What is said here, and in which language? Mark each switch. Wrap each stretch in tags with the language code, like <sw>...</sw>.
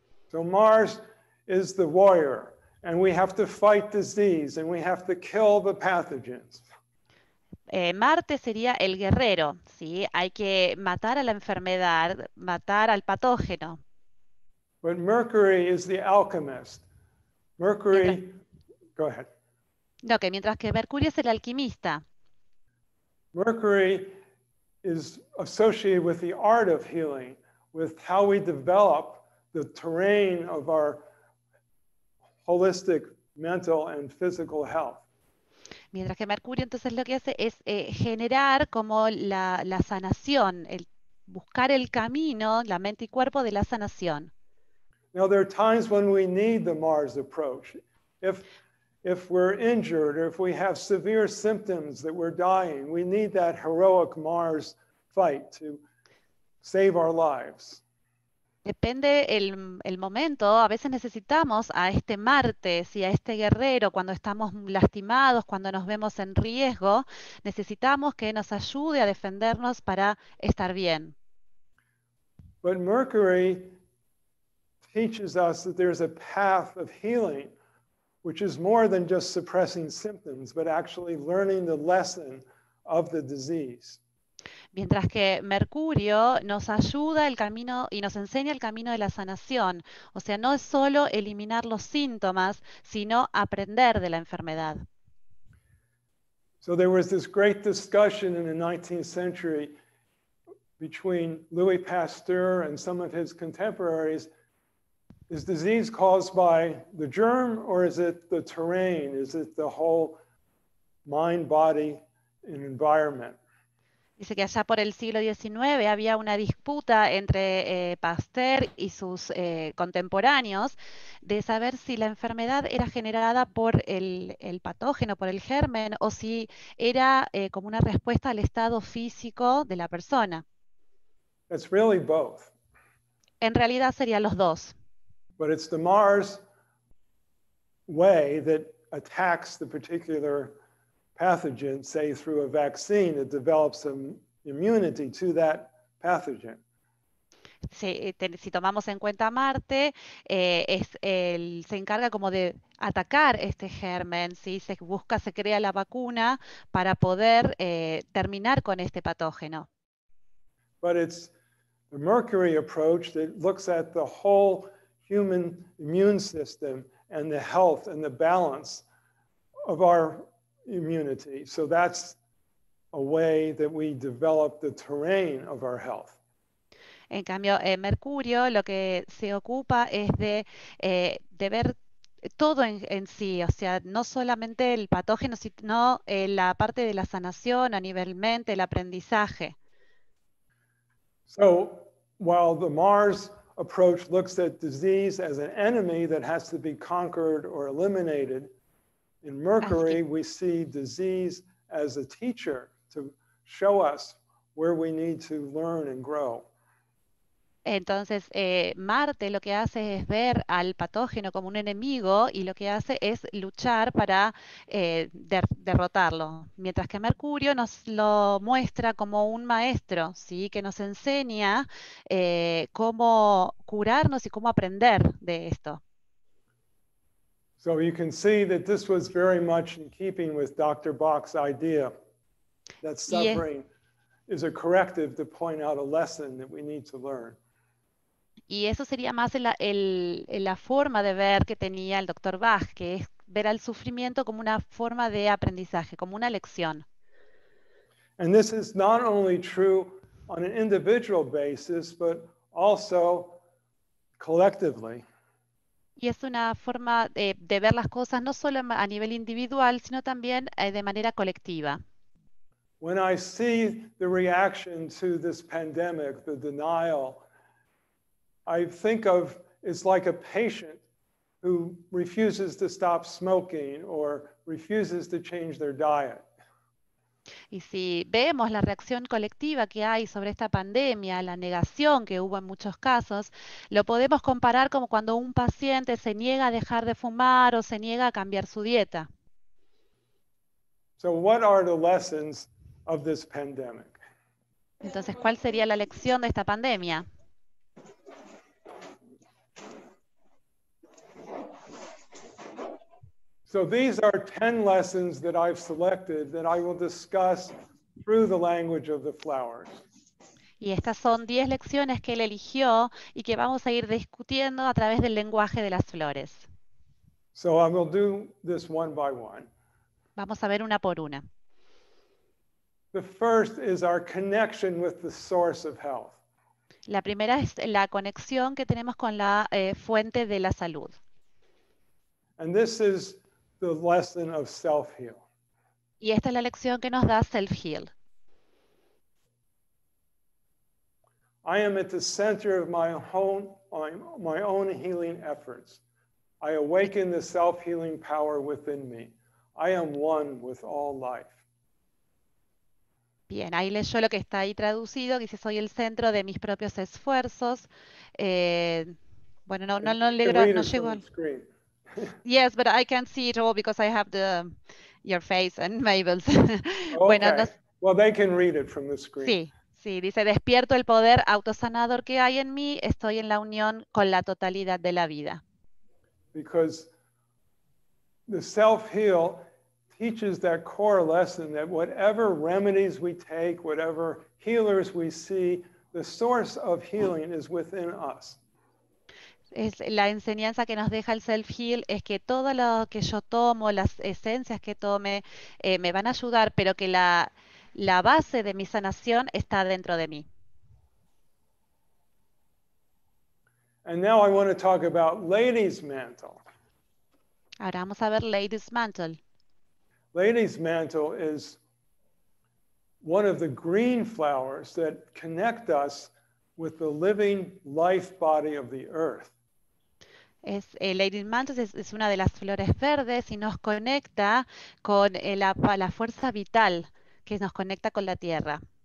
<en>So Mars is the warrior, and we have to fight disease, and we have to kill the pathogens.</en> <es>Marte sería el guerrero, ¿sí? Hay que matar a la enfermedad, matar al patógeno.</es> <en>But Mercury is the alchemist. Mercury, go ahead.</en> <es>No, que mientras que Mercurio es el alquimista.</es> <en>Mercury is associated with the art of healing, with how we develop the terrain of our holistic mental and physical health.</en> <es>Mientras que Mercurio entonces lo que hace es generar como la sanación, el buscar el camino, la mente y cuerpo de la sanación.</es> <en>Now there are times when we need the Mars approach. If we're injured or if we have severe symptoms that we're dying, we need that heroic Mars fight to save our lives.</en> <es>Depende el momento. A veces necesitamos a este Marte, sí, a este guerrero, cuando estamos lastimados, cuando nos vemos en riesgo, necesitamos que nos ayude a defendernos para estar bien.</es> <en>But Mercury teaches us that there's a path of healing which is more than just suppressing symptoms, but actually learning the lesson of the disease.</en> <es>Mientras que Mercurio nos ayuda el camino y nos enseña el camino de la sanación. O sea, no es solo eliminar los síntomas, sino aprender de la enfermedad.</es> <en>So there was this great discussion in the 19th century between Louis Pasteur and some of his contemporaries. Is disease caused by the germ or is it the terrain? Is it the whole mind, body, and environment?</en> <es>Dice que allá por el siglo XIX había una disputa entre Pasteur y sus contemporáneos de saber si la enfermedad era generada por el patógeno, por el germen, o si era como una respuesta al estado físico de la persona.</es> <en>It's really both.</en> <es>En realidad serían los dos.</es> <en>But it's the Mars way that attacks the particular pathogen, say through a vaccine, it develops an immunity to that pathogen.</en> <es>Si tomamos en cuenta Marte, se encarga como de atacar este germen, ¿sí? Se crea la vacuna para poder terminar con este patógeno.</es> <en>But it's the Mercury approach that looks at the whole human immune system and the health and the balance of our immunity. So that's a way that we develop the terrain of our health.</en> <es>En cambio, Mercurio lo que se ocupa es de ver todo en sí, o sea, no solamente el patógeno, sino la parte de la sanación a nivel mente, el aprendizaje.</es> <en>So, while the Mars approach looks at disease as an enemy that has to be conquered or eliminated, in Mercury, we see disease as a teacher to show us where we need to learn and grow.</en> <es>Entonces, Marte lo que hace es ver al patógeno como un enemigo y lo que hace es luchar para derrotarlo. Mientras que Mercurio nos lo muestra como un maestro, ¿sí? Que nos enseña cómo curarnos y cómo aprender de esto.</es> <en>So you can see that this was very much in keeping with Dr. Bach's idea that suffering is a corrective to point out a lesson that we need to learn.</en> <es>Y eso sería más en la forma de ver que tenía el Dr. Bach, que es ver al sufrimiento como una forma de aprendizaje, como una lección.</es> <en>And this is not only true on an individual basis, but also collectively.</en> <es>Y es una forma de ver las cosas no solo a nivel individual, sino también de manera colectiva.</es> <en>When I see the reaction to this pandemic, the denial, I think of it's like a patient who refuses to stop smoking or refuses to change their diet.</en> <es>Y si vemos la reacción colectiva que hay sobre esta pandemia, la negación que hubo en muchos casos, lo podemos comparar como cuando un paciente se niega a dejar de fumar o se niega a cambiar su dieta.</es> <en>So what are the lessons of this pandemic?</en> <es>Entonces, ¿cuál sería la lección de esta pandemia?</es> <en>So these are 10 lessons that I've selected that I will discuss through the language of the flowers.</en> <es>Y estas son 10 lecciones que él eligió y que vamos a ir discutiendo a través del lenguaje de las flores.</es> <en>So I will do this one by one.</en> <es>Vamos a ver una por una.</es> <en>The first is our connection with the source of health.</en> <es>La primera es la conexión que tenemos con la fuente de la salud.</es> <en>And this is the lesson of self-heal.</en> <es>Y esta es la lección que nos da self-heal.</es> <en>I am at the center of my own healing efforts. I awaken the self-healing power within me. I am one with all life.</en> <es>Bien, ahí leyó lo que está ahí traducido, que dice, soy el centro de mis propios esfuerzos.</es> <en>Yes, but I can't see it all because I have your face and Mabel's. Okay. Well, they can read it from the screen.</en> <es>Sí, dice, despierto el poder autosanador que hay en mí, estoy en la unión con la totalidad de la vida.</es> <en>Because The self-heal teaches that core lesson that whatever remedies we take, whatever healers we see, the source of healing is within us.</en> <es>Es la enseñanza que nos deja el self-heal es que todo lo que yo tomo, las esencias que tome, me van a ayudar, pero que la base de mi sanación está dentro de mí.</es> <en>And now I want to talk about Lady's Mantle.</en> <es>Ahora vamos a ver Lady's Mantle.</es> <en>Lady's Mantle is one of the green flowers that connect us with the living life body of the earth.</en> <es>Es Lady's Mantle es una de las flores verdes y nos conecta con la fuerza vital que nos conecta con la tierra.</es>